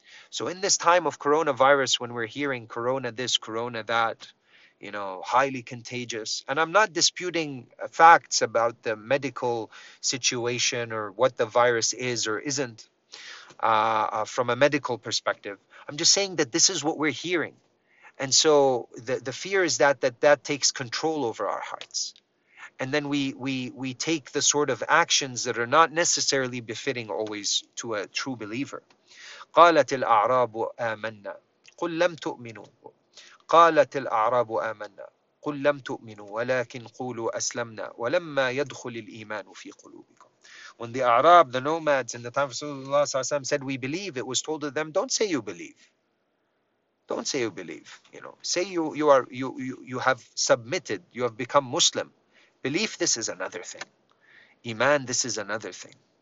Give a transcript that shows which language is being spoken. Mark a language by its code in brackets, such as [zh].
[en] So in this time of coronavirus, when we're hearing corona this, corona that, you know, highly contagious, and I'm not disputing facts about the medical situation or what the virus is or isn't from a medical perspective. I'm just saying that this is what we're hearing. And so the fear is that takes control over our hearts. And then we take the sort of actions that are not necessarily befitting always to a true believer. [ar] قالت الأعراب آمنا قل لم تؤمنوا قالت الأعراب آمنا قل لم تؤمنوا ولكن قولوا أسلمنا ولما يدخل الإيمان في قلوبكم. [en] When the Arab, the nomads in the time of Rasulullah sallallahu alaihi wasallam said, "We believe," it was told to them, "Don't say you believe. Don't say you believe. You know, say you have submitted. You have become Muslim. Belief, this is another thing. Iman, this is another thing."